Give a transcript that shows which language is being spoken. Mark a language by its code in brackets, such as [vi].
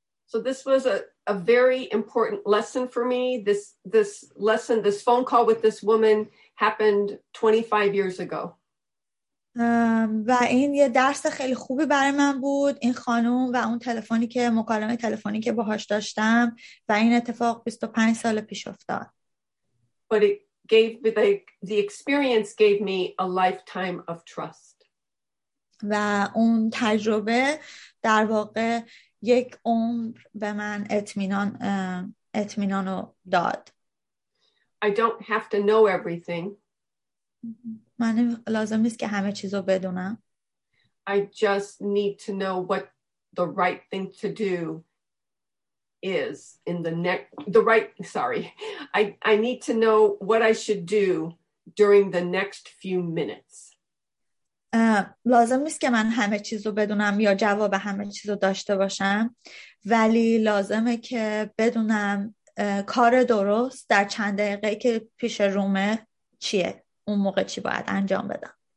[en] So this was a very important lesson for me. This lesson, this phone call with this woman happened 25 years ago. [fa] و این یه درس خیلی خوبی برای من بود، این خانم و اون تلفنی که مکالمه تلفنی که باهاش داشتم و این اتفاق 25 سال پیش افتاد. [en] But it gave me the experience gave me a lifetime of trust. [fa] و اون تجربه در واقع یک عمر به من اطمینانو داد. [en] I don't have to know everything. [fa] من لازم نیست که همه چیزو بدونم. [en] I just need to know what the right thing to do is in the next, the right, sorry. I need to know what I should do during the next few minutes. [fa] لازم نیست که من همه چیزو بدونم یا جواب همه چیزو داشته باشم، ولی لازمه که بدونم کار درست در چند دقیقه که پیش رومه چیه، اون موقع چی باید انجام بدم.